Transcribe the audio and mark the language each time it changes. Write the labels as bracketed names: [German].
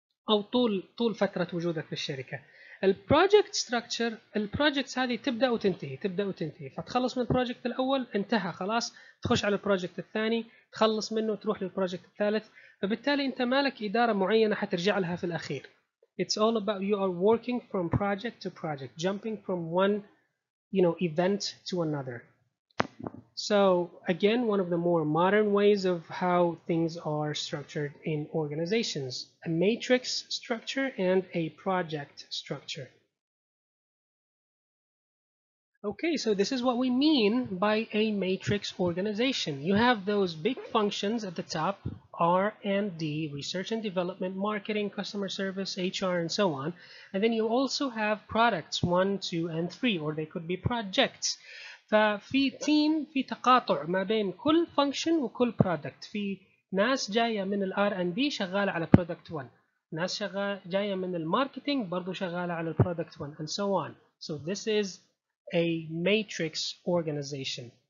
[Arabic] او طول فتره وجودك في الشركه. البروجكت ستراكشر، البروجكتس هذه تبدا وتنتهي، تبدا وتنتهي، فتخلص من البروجكت الاول انتهى خلاص، تخش على البروجكت الثاني، تخلص منه تروح للبروجكت الثالث، فبالتالي انت مالك اداره معينه حترجع لها في الاخير. [English] It's all about you are working from project to project, jumping from one, you know, event to another. So again, one of the more modern ways of how things are structured in organizations, a matrix structure and a project structure. Okay, so this is what we mean by a matrix organization. You have those big functions at the top, R&D, research and development, marketing, customer service, HR, and so on. And then you also have products, 1, 2, and 3, or they could be projects. [Arabic] ففي تيم في تقاطع ما بين كل function وكل product. في ناس جاية من ال R&D شغالة على product 1. ناس جاية من marketing برضو شغالة على product 1, [English] and so on. So this is a matrix organization.